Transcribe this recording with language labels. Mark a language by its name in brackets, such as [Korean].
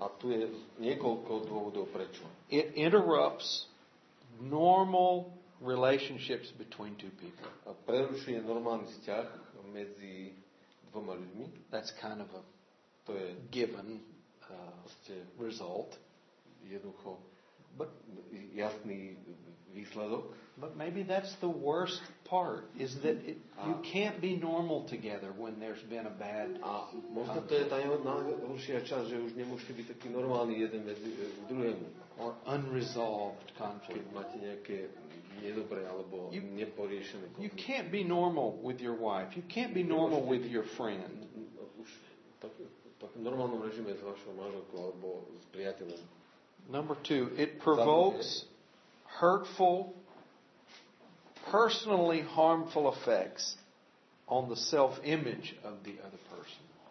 [Slovak] A tu je niekoľko dôvodov prečo. [English] It interrupts normal relationships between two people. [Slovak] A prerušuje normálny vzťah medzi dvoma ľuďmi. [English] That's kind of a [Slovak] to je [English] given result. [Slovak] Jednoducho but jasný výsledok. [English] But maybe that's the worst part, is that you can't be normal together when there's been a bad [Slovak] možno to je tá najhoršia časť, že už nemôžete byť taký normálny jeden medzi druhému. [English] Or unresolved conflict. [Slovak] Keď máte nejaké nedobré alebo neporiešené konflikty. [English] You can't be normal with your wife. You can't be normal with your friend. [Slovak] Tak v normálnom režime s vašou manželkou alebo s priateľom. [English] Number two, it provokes hurtful, personally harmful effects on the self-image of the other person.